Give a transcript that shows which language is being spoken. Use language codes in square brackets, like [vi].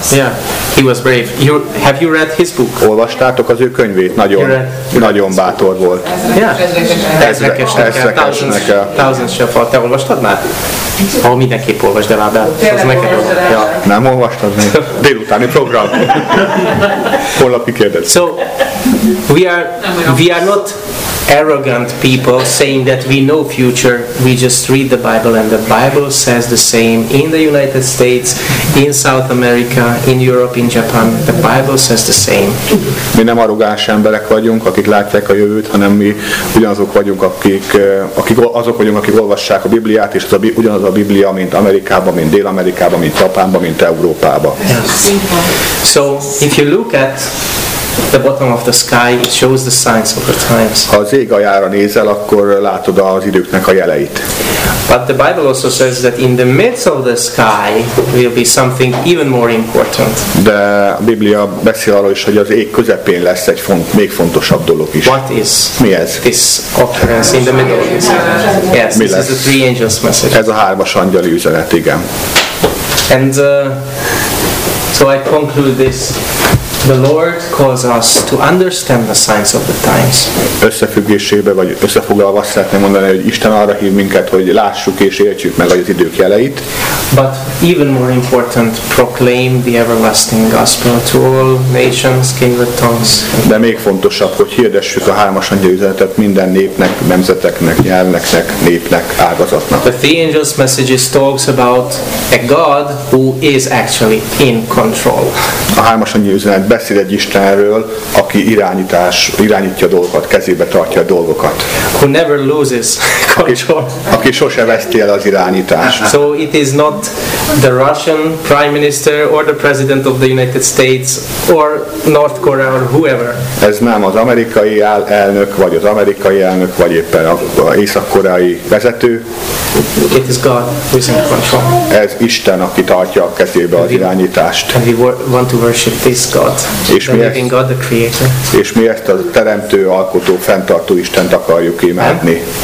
[en] Yeah, he was brave. Have you read his book? [hu] Olvastátok az ő könyvét? Nagyon bátor volt. [en] Yeah. Thousands shall fall. [hu] Te olvastad már? Ha mindenképp olvasd el, de az neked olvasd. Ja. Nem olvastad még. Délutáni program. Holnapi kérdez. [en] So, we are not arrogant people saying that we know future. We just read the Bible, and the Bible says the same in the United States, in South America, in Europe, in Japan. The Bible says the same. [hu] Mi nem arrogáns emberek vagyunk, akik látják a jövőt, hanem mi ugyanazok vagyunk, akik olvassák a Bibliát, és ugyanaz a Biblia, mint Amerikában, mint Dél-Amerikában, mint Japánban, mint Európában. [en] Yes. So, if you look at the bottom of the sky, it shows the signs of the times. [hu] Ha az ég aljára nézel, akkor látod az időknek a jeleit. [en] But the Bible also says that in the midst of the sky will be something even more important. [hu] De a Biblia beszél arról is, hogy az ég közepén lesz egy még fontosabb dolog is. [en] What is? [hu] Mi ez? [en] This occurrence in the middle of the sky. Yes, [hu] mi [en] this [hu] lesz? [en] Is the three angels message. [hu] Ez a hármas angyali üzenet, igen. [en] And so I conclude this. The Lord calls us to understand the signs of the times. [hu] Összefüggésében vagy összefoglalva szeretném mondani, hogy Isten arra hív minket, hogy lássuk és értsük meg az idők jeleit. [en] But even more important, proclaim the everlasting gospel to all nations, kindred tongues. [hu] De még fontosabb, hogy hirdessük a hármas angyali üzenetet minden népnek, nemzeteknek, nyelveknek, népnek, ágazatnak. [en] The three angels' messages talks about a God who is actually in control. [hu] A hármas angyali üzenet beszél egy Istenről, aki irányítja a dolgokat, kezébe tartja a dolgokat. [en] Who never loses control. [hu] Aki sose veszti el az irányítást. [en] So it is not the Russian Prime Minister or the President of the United States or North Korea or whoever. [hu] Ez nem az amerikai elnök, vagy az amerikai elnök, vagy éppen az észak-koreai vezető. [en] It is God who is in control. [hu] Ez Isten, aki tartja a kezébe az irányítást. [en] And we want to worship this God, God, the Creator. [hu] És mi ezt a teremtő, alkotó, fenntartó Istent akarjuk imádni.